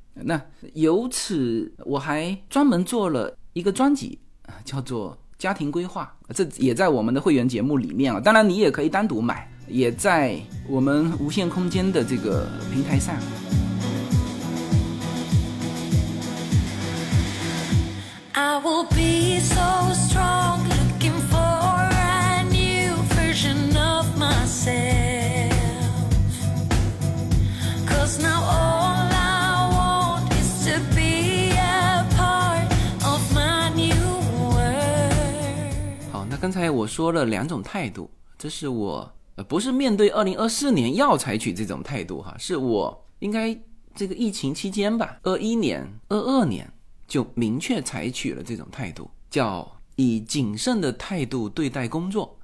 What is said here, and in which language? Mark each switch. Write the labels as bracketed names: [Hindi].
[Chinese] 那由此我还专门做了一个专辑，叫做家庭规划，这也在我们的会员节目里面啊，当然你也可以单独买，也在我们无限空间的这个平台上。 [English] I will be so strong, looking for a new version of myself. Cause now all I want is to be a part of my new world. [Chinese] 好，那刚才我说了两种态度，这是我不是面对2024年要采取这种态度哈，是我应该这个疫情期间吧，21年、22年。就明确采取了这种态度，叫以谨慎的态度对待工作。